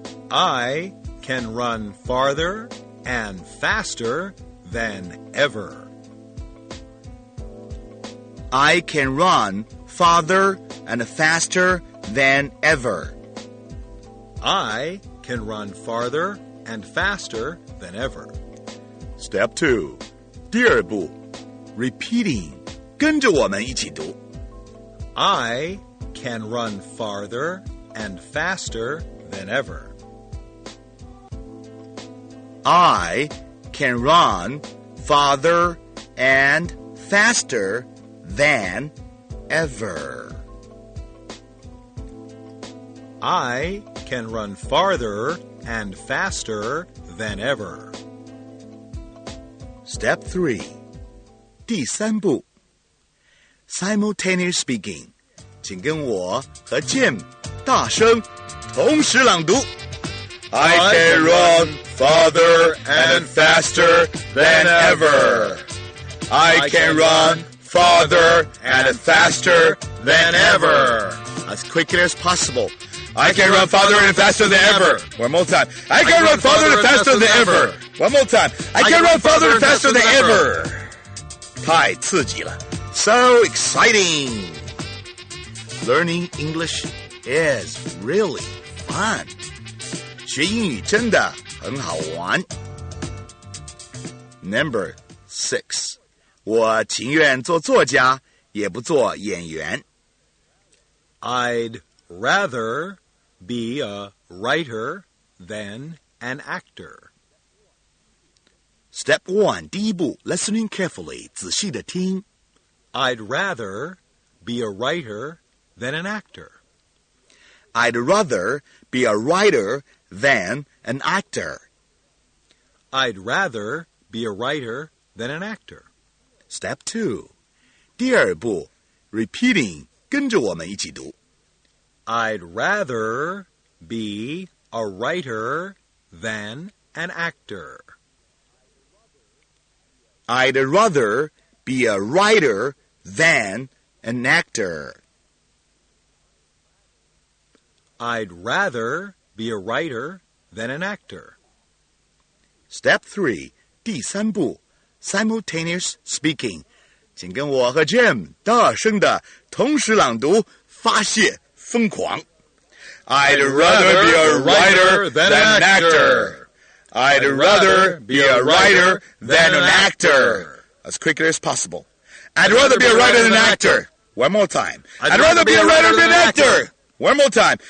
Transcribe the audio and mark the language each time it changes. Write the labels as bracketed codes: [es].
[en] I can run farther and faster than ever. I can run farther and faster than ever. I can run farther and faster than ever. Step 2. [zh] 第二步, [en] Repeating, [zh] 跟着我们一起读。 [en] I can run farther and faster than ever. I can run farther and faster than ever. I can run farther and faster than ever. Step 3. [zh] 第三步 [en] Simultaneous speaking [zh] 请跟我和 Jim 大声同时朗读 [en] I can run farther and faster than ever I can run farther and faster than ever As quickly as possible I can run farther and faster than ever One more time I can run farther and faster than ever One more time I can run farther and faster than ever [zh] 太刺激了 [en] So exciting! Learning English is really fun. [zh] 学英语真的很好玩。 [en] Number 6. [zh] 我情愿做作家,也不做演员。 [en] I'd rather be a writer than an actor. Step 1, [zh] 第一步, [en] listening carefully, [zh] 仔细地听。 [en] I'd rather be a writer than an actor. I'd rather be a writer than an actor. I'd rather be a writer than an actor. Step 2, [zh] 第二步, [en] repeating, [zh] 跟着我们一起读。 [en] I'd rather be a writer than an actor. I'd rather be a writer than an actor. I'd rather be a writer than an actor. Step 3, [zh] 第三步, [en] simultaneous speaking. [zh] 请跟我和 Jim 大声的同时朗读发泄疯狂。 [en] I'd rather be a writer than an actor. I'd rather be a writer than an actor. As quickly as possible. I'd rather be a writer than an actor. One more time. I'd rather be a writer than an actor. One more time.